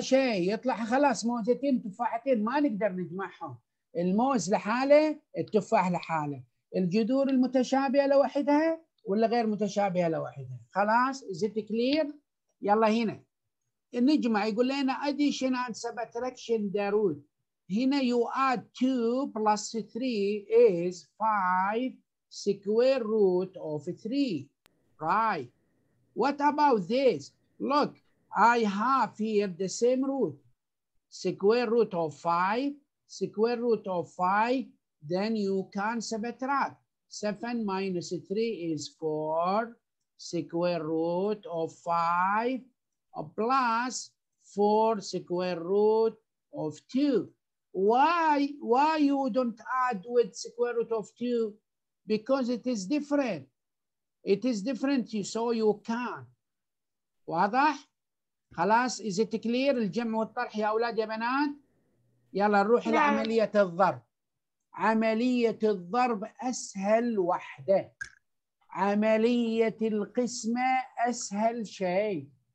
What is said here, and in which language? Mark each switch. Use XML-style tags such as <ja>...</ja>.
<ar>شيء، يطلع خلاص موزتين تفاحتين، ما نقدر نجمعهم. الموز لحاله، التفاح لحاله، الجذور المتشابهه لوحدها ولا غير متشابهه لوحدها؟ خلاص زيت كلير. يلا هنا نجمع، يقول لنا</ar> <en>addition and subtraction the root. هنا you add 2 plus 3 is 5 square root of 3. Right. What about this? Look, I have here the same root. Square root of 5. Square root of 5, then you can subtract. 7 minus 3 is 4. Square root of 5 plus 4 square root of 2. Why you don't add with square root of 2? Because it is different. It is different, so you can.</en> <ar>واضح؟ خلاص،</ar> <en>is it clear</en> <ar>الجمع والطرح يا أولاد يا بنات؟ يلا نروح لعملية الضرب. عملية الضرب أسهل وحدة، عملية القسمة أسهل شيء.</ar>